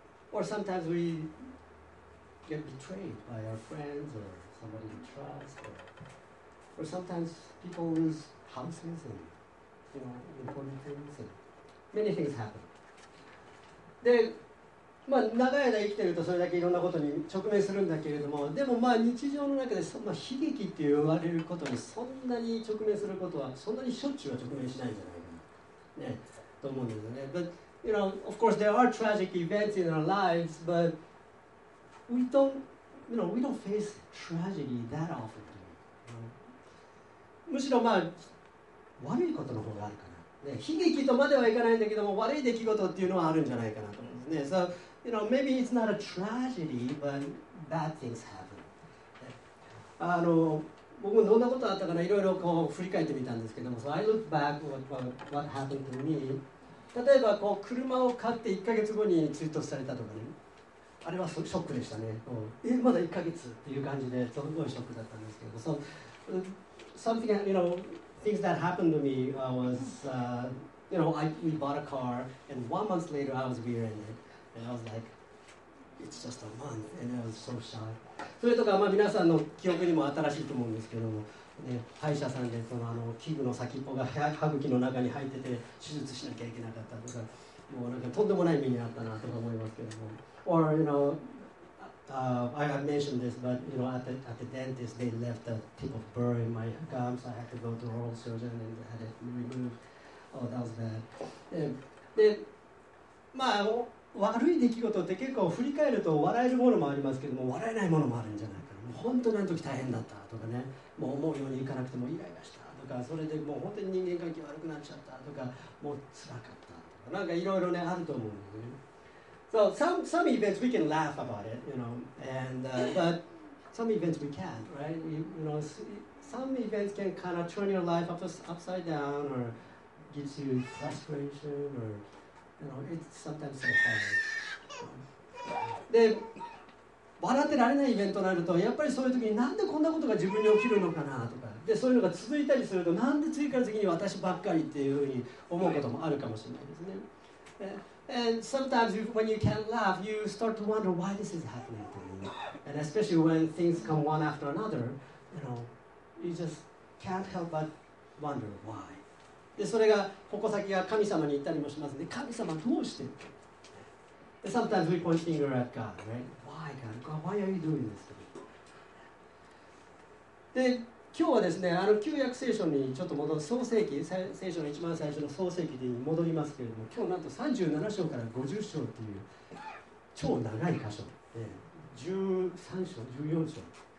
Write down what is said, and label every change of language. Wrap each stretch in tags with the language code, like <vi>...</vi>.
<en>Or sometimes we get betrayed by our friends or somebody we trust. Or sometimes people lose houses and, you know, important things. And many things happen.</en> <ja>で、まあ、長い間生きてるとそれだけいろんなことに直面するんだけれども、でもまあ日常の中でそんな悲劇って言われることにそんなに直面することは、そんなにしょっちゅうは直面しないんじゃないかな、ね、と思うんですよね。</ja> <en>But, you know, of course there are tragic events in our lives, but we don't, you know, we don't face tragedy that often. You know?</en> <ja>むしろまあ悪いことの方があるかな、ね。悲劇とまではいかないんだけども、悪い出来事っていうのはあるんじゃないかなと。</ja> <en>So, you know, maybe it's not a tragedy, but bad things happen.</en> <ja>あの、僕もどんなことあったかな、いろいろこう振り返ってみたんですけども、</ja> <en>so I look back what happened to me.</en> <ja>例えばこう車を買って1ヶ月後に追突されたとかね、あれはショックでしたね。え、まだ1ヶ月っていう感じで、すごいショックだったんですけども、</ja> <en>so something, you know, things that happened to me was, you know, we bought a car, and 1 month later, I was rear-ended. And I was like, it's just a month, and I was so shy.</en> <ja>それとか、まあ、皆さんの記憶にも新しいと思うんですけども、ね、歯医者さんでそのあの器具の先っぽが歯茎の中に入ってて、手術しなきゃいけなかったとか、もうなんかとんでもない目にあったなとか思いますけども。</ja> <en>Or, you know, I have mentioned this, but, you know, at the dentist, they left a tip of burr in my gum, so I had to go to oral surgeon and had it removed. Oh, that was bad.</en> <ja>で、まあ、悪い出来事って結構振り返ると笑えるものもありますけども、笑えないものもあるんじゃないかな。もう本当にあの時大変だったとかね、もう思うようにいかなくてもイライラしたとか、それでもう本当に人間関係悪くなっちゃったとか、もう辛かったとか、なんかいろいろね、あると思うんですね。</ja> <en>So, some events we can laugh about it, you know, and, but some events we can't, right? You know, some events can kind of turn your life upside down orgives you frustration or, you know, it's sometimes so hard.</en> <ja>で、笑ってられないイベントになると、やっぱりそういう時になんでこんなことが自分に起きるのかなとか、で、そういうのが続いたりすると、なんで次から次に私ばっかりっていうふうに思うこともあるかもしれないですね。</ja> <en>And sometimes when you can't laugh, you start to wonder why this is happening to me. And especially when things come one after another, you know, you just can't help but wonder why.</en> <ja>で、それが矛先が神様に行ったりもしますね。神様どうしてって。</ja> <en>Sometimes we point finger at God, right? Why, God? God, why are you doing this?</en> <ja>で、今日はですね、あの旧約聖書にちょっと戻る、創世記、聖書の一番最初の創世記に戻りますけれども、今日なんと37章から50章っていう超長い箇所、13章、14章。</ja>